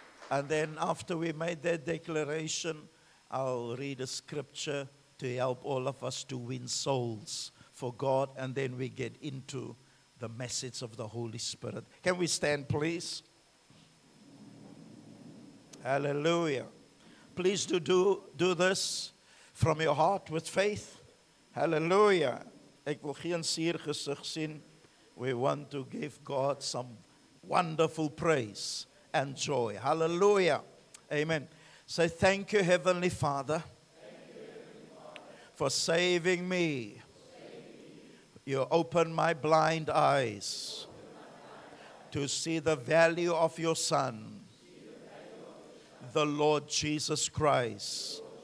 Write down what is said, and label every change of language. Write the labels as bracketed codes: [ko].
[en] And then after we made that declaration, I'll read a scripture to help all of us to win souls for God. And then we get into the message of the Holy Spirit. Can we stand, please? Hallelujah. Please do this from your heart with faith. Hallelujah. [af] Ek wil geen seer gesig sien. [en] We want to give God some wonderful praise and joy. Hallelujah. Amen. Say, thank you, Heavenly Father, for saving me. You open my blind eyes to see the value of your Son, the Lord Jesus Christ.